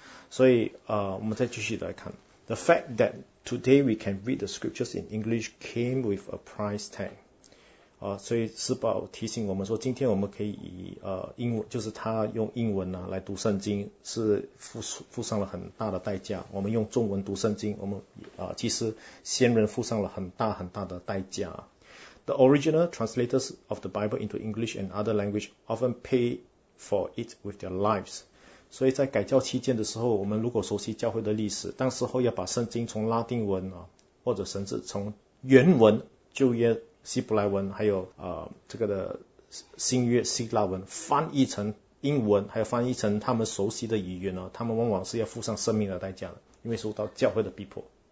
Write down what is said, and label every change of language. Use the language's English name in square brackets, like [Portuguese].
[Chinese] 所以我们再继续来看， [English] The fact that today we can read the scriptures in English came with a price tag。 [Chinese] 所以施宝提醒我们说，今天我们可以以英文，就是他用英文呢、来读圣经，是付上了很大的代价。我们用中文读圣经，我们其实先人付上了很大很大的代价。 [English] The original translators of the Bible into English and other language often pay for it with their lives。 [Chinese] 所以在改教期间的时候，我们如果熟悉教会的历史，当时候要把圣经从拉丁文或者甚至从原文旧约希伯来文，还有这个的新约希腊文翻译成英文，还有翻译成他们熟悉的语言呢，他们往往是要付上生命的代价的，因为受到教会的逼迫。